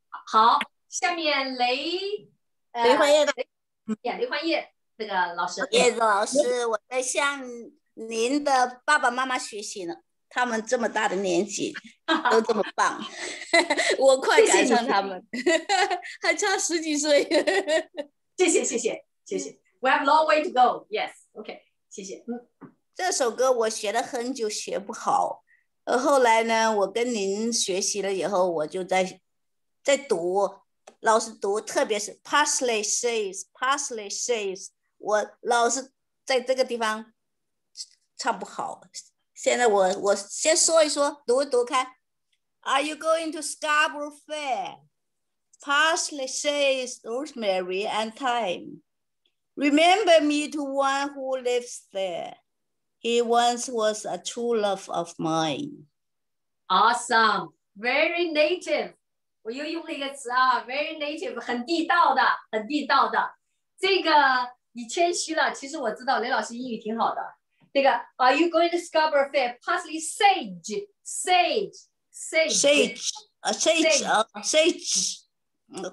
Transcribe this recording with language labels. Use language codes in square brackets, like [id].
[zh] 好，下面雷欢燕的雷欢燕那个老师。叶子老师，我在向您的爸爸妈妈学习呢，他们这么大的年纪都这么棒，我快赶上他们，谢谢还差十几岁。谢谢谢谢谢谢 ， [en] We have long way to go. Yes, OK. [zh] 谢谢。这首歌我学了很久学不好，后来呢，我跟您学习了以后，我就在读，老是读，特别是 [en] Parsley says, Parsley says， [zh] 我老是在这个地方。唱不好，现在我先说一说，读一读看。 [en] Are you going to Scarborough Fair? Parsley says rosemary and thyme. Remember me to one who lives there. He once was a true love of mine. Awesome, very native. [zh] 我又用了一个词啊 ， [en] very native， [zh] 很地道的，很地道的。这个你谦虚了，其实我知道雷老师英语挺好的。这个 [en] ，Are you going to Scarborough Fair? Parsley, sage, sage, sage, sage, sage, sage.